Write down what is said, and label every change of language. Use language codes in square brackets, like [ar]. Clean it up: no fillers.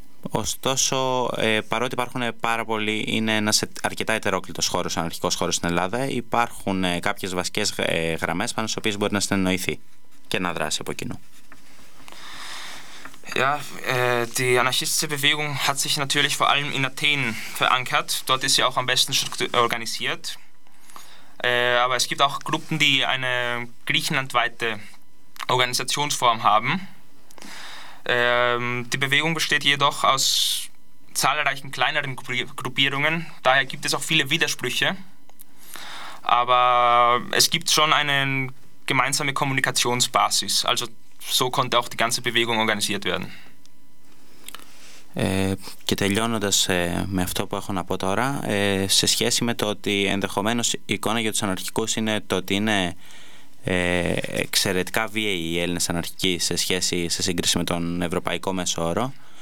[el] Ωστόσο, παρότι υπάρχουν πάρα πολλοί, είναι ένας αρκετά ετερόκλητος χώρος, αναρχικός χώρος στην Ελλάδα, υπάρχουν κάποιες βασικές γραμμές πάνω στις οποίες μπορεί να συνεννοηθεί και να δράσει από κοινού. [de] Ja, die anarchistische Bewegung hat sich natürlich vor allem in Athen verankert. Dort ist sie auch am besten organisiert. Aber es gibt auch Gruppen, die eine griechenlandweite Organisationsform haben. Die Bewegung besteht jedoch aus zahlreichen kleineren Gruppierungen. Daher gibt es auch viele Widersprüche. Aber es gibt schon eine gemeinsame Kommunikationsbasis. Also so konnte auch die ganze Bewegung organisiert werden. [el] Και τελειώνοντας με αυτό που έχω να πω τώρα, σε σχέση με το ότι ενδεχομένως η εικόνα για τους αναρχικούς είναι το ότι είναι εξαιρετικά βίαιοι οι Έλληνες αναρχικοί σε σύγκριση με τον ευρωπαϊκό μέσο όρο,